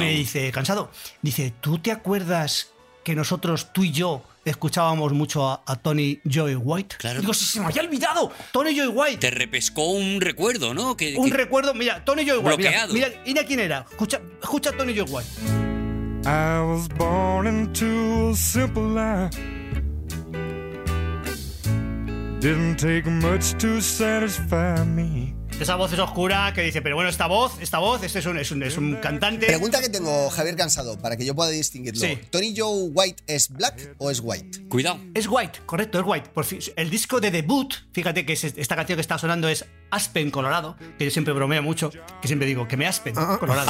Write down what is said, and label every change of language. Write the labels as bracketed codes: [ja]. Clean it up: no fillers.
[es] Me dice, cansado, dice, ¿tú te acuerdas que nosotros, tú y yo, escuchábamos mucho a Tony Joy White? Claro. Digo, ¡sí, se me había olvidado! ¡Tony Joy White! Te repescó un recuerdo, ¿no? Un recuerdo, mira, Tony Joy White. Bloqueado. Mira quién era, escucha a Tony Joy White. [en] I was born into a simple life. Didn't take much to satisfy me. [es] Esa voz es oscura que dice, pero bueno, esta voz, este es un cantante. Pregunta que tengo, Javier Cansado, para que yo pueda distinguirlo. Sí. ¿Tony Joe White es black o es white? Cuidado. Es white, correcto, es white. Por fin, el disco de debut, fíjate que esta canción que está sonando es Aspen, Colorado, que yo siempre bromeo mucho, que siempre digo que me Aspen, Colorado.